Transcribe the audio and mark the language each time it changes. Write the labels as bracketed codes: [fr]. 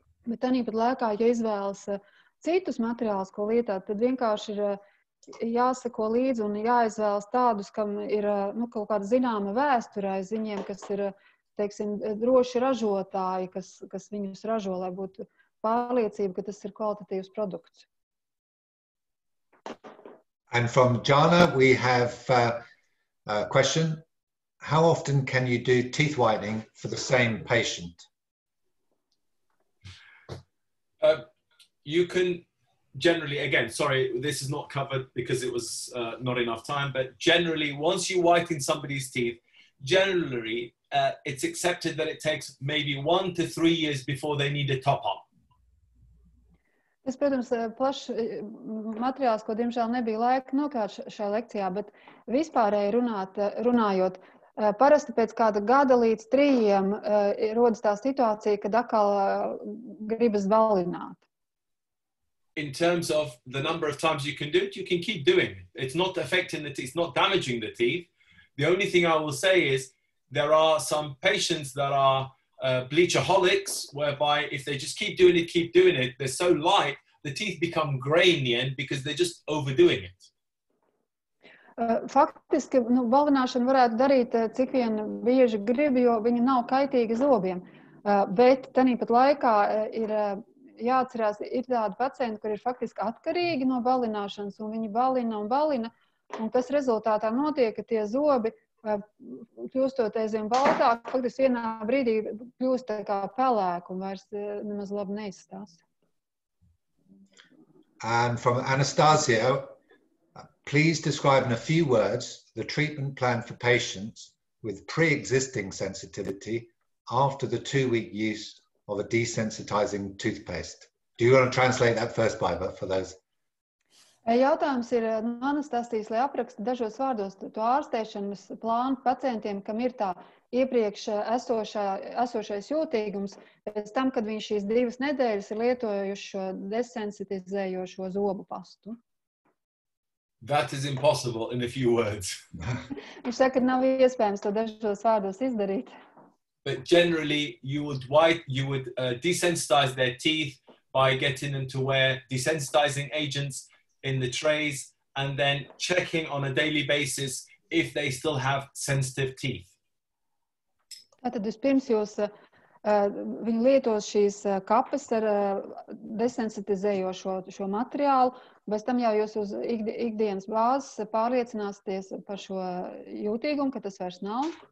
[lv] Bet tādī pat laikā, ja izvēlas citus materiālus, ko lietāt, tad vienkārši ir jāsako līdzi un jāizvēlas tādus, kam ir nu, kaut kāda zināma vēsture aiz viņiem, kas ir, teiksim, droši ražotāji, kas viņus ražo, lai būtu pārliecība, ka tas ir kvalitatīvs produkts. [en] And from Jana, we have question, how often can you do teeth whitening for the same patient? You can generally, again, sorry, this is not covered because it was not enough time, but generally, once you whiten somebody's teeth, generally, it's accepted that it takes maybe 1 to 3 years before they need a top-up. [lv] Tas, protams, plašs materiāls, ko, diemžēl, nebija laika nokārt šajā lekcijā, bet vispārēji runājot, parasti pēc kāda gada līdz trījiem rodas tā situācija, kad atkal gribas valināt. [en] In terms of the number of times you can do it, you can keep doing it. It's not affecting the teeth, it's not damaging the teeth. The only thing I will say is there are some patients that are bleachaholics, whereby if they just keep doing it, they're so light, the teeth become gray in the end because they're just overdoing it. [lv] Faktiski, nu, valināšanu varētu darīt, cik vien bieži grib, jo viņi nav kaitīgi zobiem. Bet tanī pat laikā ir jāatcerās, ir tādi pacienti, kur ir faktiski atkarīgi no valināšanas, un viņi valina un valina, un tas rezultātā notiek, ka tie zobi, kļūstot aizvien baltāk, faktiski vienā brīdī kļūst tā kā pelēk un vairs nemaz labi neizstās. [en] And from Anastasia, please describe in a few words the treatment plan for patients with pre-existing sensitivity after the 2-week use of a desensitizing toothpaste. Do you want to translate that first, Baiba, for those? [lv] Jautājums ir no Anastasijas, lai apraksta dažos vārdos to ārstēšanas plānu pacientiem, kam ir tā iepriekš esošais jūtīgums, pēc tam, kad viņš šīs divas nedēļas ir lietojuši šo desensitizējošo zobu pastu. [en] That is impossible in a few words. [lv] Viņš saka, ka nav iespējams to dažos vārdos izdarīt. [en] But generally, you would desensitize their teeth by getting them to wear desensitizing agents in the trays, and then checking on a daily basis if they still have sensitive teeth. [lv] Tātad vispirms jūs viņi lietos šīs kapes ar desensitizējošo šo materiālu, bez tam jau jūs uz ikdienas bāzes pārliecināsties par šo jūtīgumu, ka tas vairs nav.